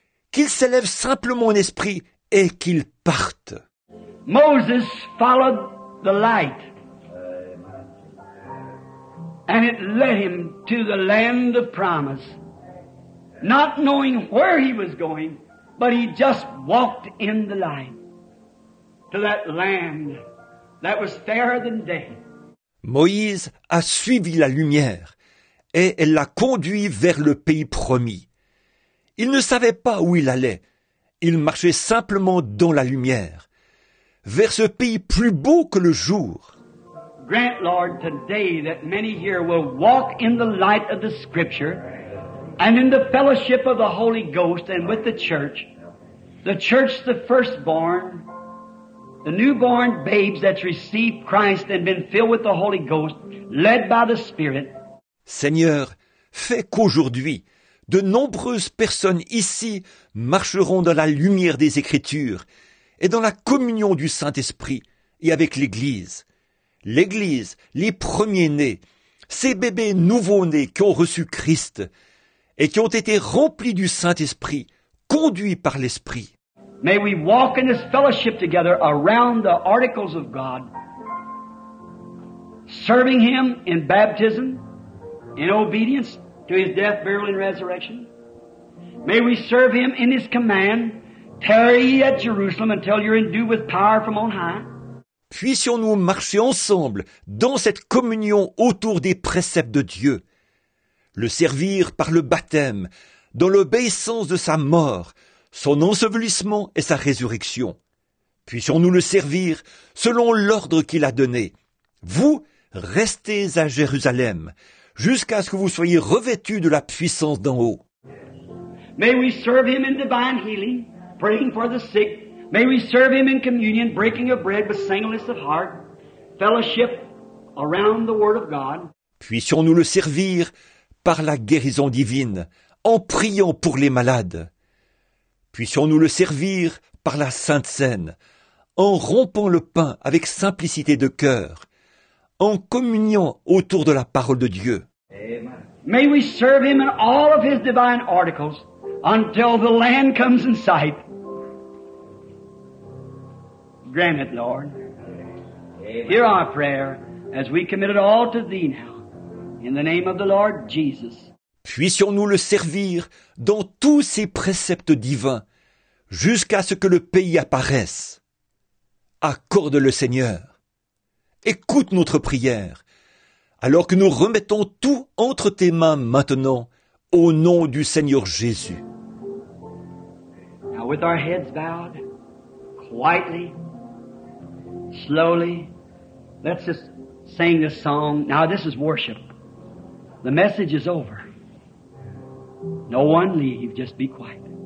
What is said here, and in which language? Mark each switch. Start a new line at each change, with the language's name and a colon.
French: Qu'ils s'élèvent simplement en esprit et qu'ils partent.
English: Moses followed the light. And it led him to the land of promise. Not knowing where he was going, but he just walked in the light. To that land that was fairer than day.
French: Moïse a suivi la lumière. Et elle l'a conduit vers le pays promis. Il ne savait pas où il allait. Il marchait simplement dans la lumière. vers ce pays plus beau que le jour.
English: Grant, Lord, today that many here will walk in the light of the Scripture and in the fellowship of the Holy Ghost and with the church the firstborn, the newborn babes that received Christ and been filled with the Holy Ghost, led by the Spirit.
French: Seigneur, fais qu'aujourd'hui, de nombreuses personnes ici marcheront dans la lumière des Écritures et dans la communion du Saint-Esprit et avec l'Église. L'Église, les premiers-nés, ces bébés nouveaux-nés qui ont reçu Christ et qui ont été remplis du Saint-Esprit, conduits par l'Esprit.
English: May we walk in this fellowship together around the articles of God, serving Him in baptism, in obedience to His death, burial, and resurrection. May we serve Him in His command, tarry ye at Jerusalem until you're endued with power from on high.
French: Puissions-nous marcher ensemble dans cette communion autour des préceptes de Dieu, le servir par le baptême, dans l'obéissance de sa mort, son ensevelissement et sa résurrection. Puissions-nous le servir selon l'ordre qu'il a donné. Vous, restez à Jérusalem, jusqu'à ce que vous soyez revêtus de la puissance d'en haut.
English: May we serve him in divine healing, praying for the sick. May we serve him in communion, breaking of bread with singleness of heart, fellowship around the word of God.
French: Puissions-nous le servir par la guérison divine, en priant pour les malades. Puissions-nous le servir par la Sainte Cène, en rompant le pain avec simplicité de cœur, en communiant autour de la parole de Dieu.
English: Amen. May we serve him in all of his divine articles until the land comes in sight. Grant it, Lord. Amen. Hear our prayer as we commit it all to Thee now, in the name of the Lord Jesus.
French: Puissions-nous le servir dans tous ses préceptes divins, jusqu'à ce que le pays apparaisse. Accorde le Seigneur. Écoute notre prière, alors que nous remettons tout entre tes mains maintenant, au nom du Seigneur Jésus.
English: Now with our heads bowed, quietly, slowly, let's just sing this song. Now this is worship. The message is over. No one leave, just be quiet.